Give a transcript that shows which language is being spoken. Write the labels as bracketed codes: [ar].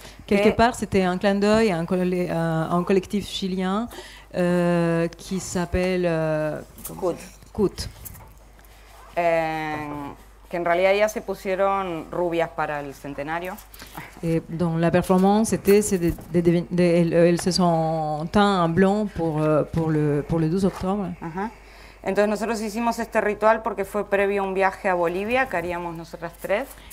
[fr] Quelque part, c'était un clin d'œil à un collectif chilien qui s'appelle CUT. [es] Que en realidad ya se pusieron rubias para el centenario. [fr] Et donc la performance était, elles se sont teint en blanc pour le 12 octobre. [es] Entonces nosotros hicimos este ritual porque fue previo a un viaje a Bolivia que haríamos nosotras tres.